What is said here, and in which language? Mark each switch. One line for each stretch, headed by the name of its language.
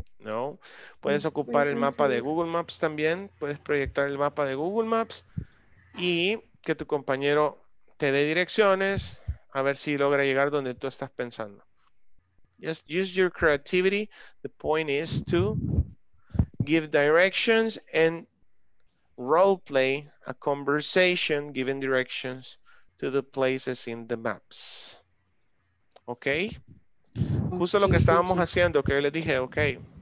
Spanish: No, puedes ocupar el mapa de Google Maps también, puedes proyectar el mapa de Google Maps y que tu compañero te dé direcciones a ver si logra llegar donde tú estás pensando.
English: Just use your creativity. The point is to give directions and role play a conversation giving directions to the places in the maps. Okay?
Spanish: Justo lo que estábamos haciendo, que yo les dije, okay.